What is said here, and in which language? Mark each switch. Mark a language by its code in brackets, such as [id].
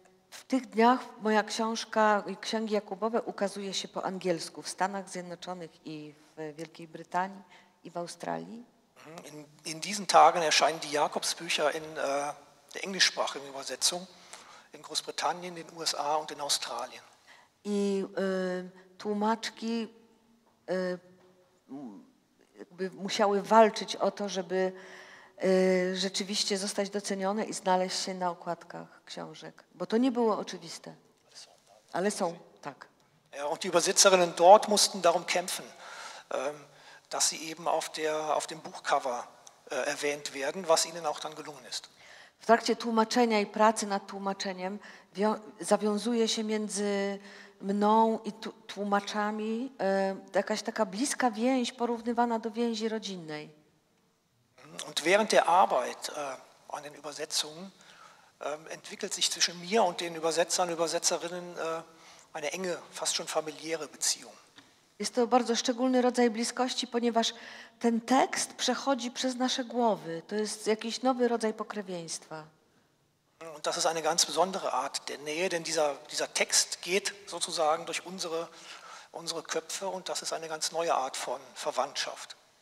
[pl] W tych dniach moja książka Księgi Jakubowe ukazuje się po angielsku w Stanach Zjednoczonych i w Wielkiej Brytanii i w Australii. [de] In diesen Tagen erscheinen die Jakobsbücher in der englischsprachigen Übersetzung in Großbritannien, den USA und in Australien. [pl] I tłumaczki jakby musiały walczyć o to, żeby rzeczywiście zostać docenione i znaleźć się na okładkach książek, bo to nie było oczywiste. Ale są, tak. [de] Ja, und die Übersetzerinnen dort mussten darum kämpfen, dass sie eben auf dem Buchcover erwähnt werden, was ihnen auch dann gelungen ist. [pl] W trakcie tłumaczenia i pracy nad tłumaczeniem zawiązuje się między mną i tłumaczami jakaś taka bliska więź porównywana do więzi rodzinnej. [de] Und während der Arbeit an den Übersetzungen entwickelt sich zwischen mir und den Übersetzern und Übersetzerinnen eine enge, fast schon familiäre Beziehung. [pl] Jest to bardzo szczególny rodzaj bliskości, ponieważ ten tekst przechodzi przez nasze głowy. To jest jakiś nowy rodzaj pokrewieństwa. [de] Und das ist eine ganz besondere Art der Nähe, denn dieser Text geht sozusagen durch unsere Köpfe und das ist eine ganz neue Art von Verwandtschaft.